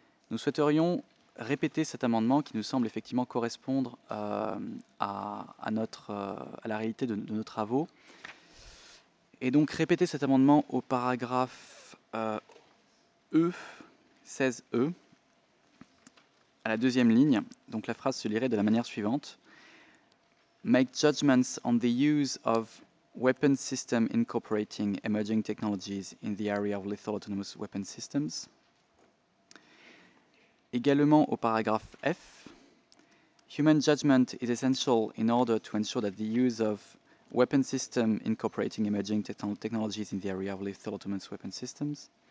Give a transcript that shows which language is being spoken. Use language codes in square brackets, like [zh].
[fr] Nous souhaiterions répéter cet amendement qui nous semble effectivement correspondre à la réalité de nos travaux. Et donc répéter cet amendement au paragraphe E, 16E, à la deuxième ligne. Donc la phrase se lirait de la manière suivante. [en] Make judgments on the use of weapon system incorporating emerging technologies in the area of lethal autonomous weapon systems. [fr] Également au paragraphe F. [en] Human judgment is essential in order to ensure that the use of weapon system incorporating emerging technologies in the area of lethal autonomous weapon systems.